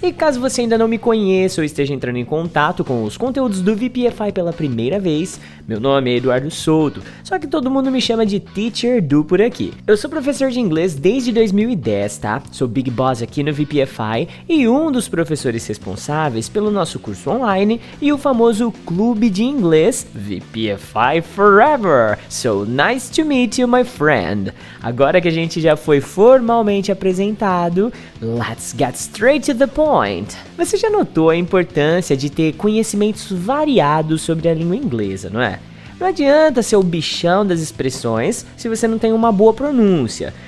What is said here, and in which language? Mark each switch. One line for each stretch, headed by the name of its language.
Portuguese: E caso você ainda não me conheça ou esteja entrando em contato com os conteúdos do VPFI pela primeira vez, meu nome é Eduardo Souto, só que todo mundo me chama de Teacher Du por aqui. Eu sou professor de inglês desde 2010, tá? Sou Big Boss aqui no VPFI e um dos professores responsáveis pelo nosso curso online e o famoso clube de inglês VPFI Forever.
English: So nice to meet you, my friend.
Portuguese: Agora que a gente já foi formalmente apresentado,
English: let's get straight to the point.
Portuguese: Você já notou a importância de ter conhecimentos variados sobre a língua inglesa, não é? Não adianta ser o bichão das expressões se você não tem uma boa pronúncia.